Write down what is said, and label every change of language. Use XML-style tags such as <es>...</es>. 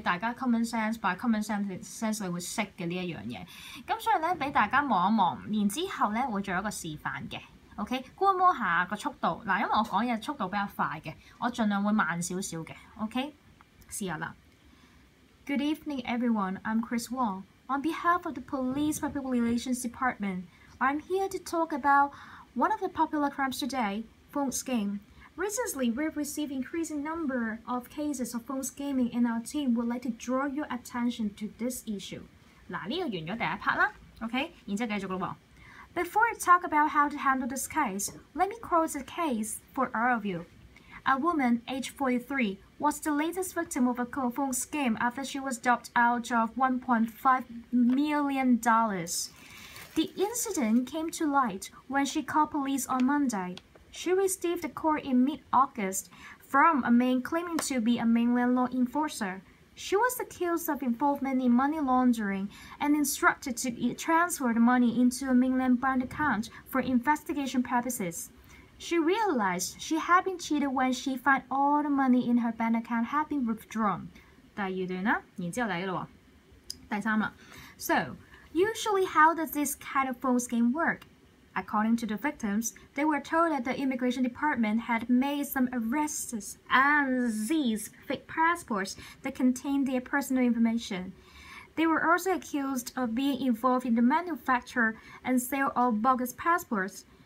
<yue>大家</yue> <en>common sense by common sense</en> <yue>你會識嘅呢一樣嘢，咁所以咧俾大家望一望，然之後咧會做一個示範嘅 ，OK？觀摩下個速度，嗱，因為我講嘢速度比較快嘅，我盡量會慢少少嘅 ，OK？試下啦。</yue> <en>Good evening, everyone. I'm Chris Wong. On behalf of the Police Public Relations Department, I'm here to talk about one of the popular crimes today. Phone scam. Recently, we've received increasing number of cases of phone scamming, and our team would like to draw your attention to this issue.</en> <yue>嗱，呢个完咗第一 part 啦 ，OK， 然之后继续咯。</yue> <en>Before I talk about how to handle this case, let me quote a case for all of you. A woman, age 43, was the latest victim of a phone scam after she was dubbed out of $1.5 million. The incident came to light when she called police on Monday. She received a call in mid-August from a man claiming to be a mainland law enforcer. She was accused of involvement in money laundering and instructed to transfer the money into a mainland bank account for investigation purposes. She realized she had been cheated when she found all the money in her bank account had been withdrawn.</en> <yue>第二段呢，然之后来了第三了。</yue> <en>So, usually how does this kind of phone scheme work? According to the victims, they were told that the immigration department had made some arrests and seized fake passports that contained their personal information. They were also accused of being involved in the manufacture and sale of bogus passports.</en>